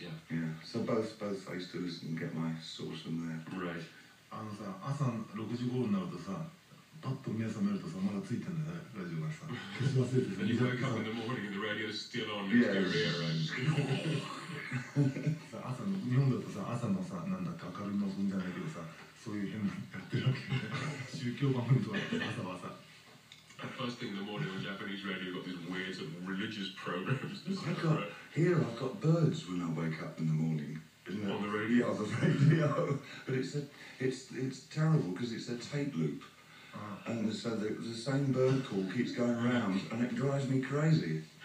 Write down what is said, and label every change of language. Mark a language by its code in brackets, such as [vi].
[en] Yeah. So both I used to listen and get my source from there. Right. [ja] あのさ、朝6時頃になるとさ、パッと目覚めるとさ、まだついてんだよね、ラジオがさ。消し忘れてさ。 [en] And you wake up in the morning and the radio is still on next to your ear, right? [ja] 朝の、日本だとさ、朝のさ、なんだっけ、明るいの分じゃないけどさ、そういう変なのやってるわけ。宗教番組とかだって朝はさ。 [en] The first thing in the morning on Japanese radio, you've got these weird sort of religious programs. Here I've got birds when I wake up in the morning. On the radio? Yeah, on the radio. But it's terrible because it's a tape loop. And so the same bird call keeps going around and it drives me crazy.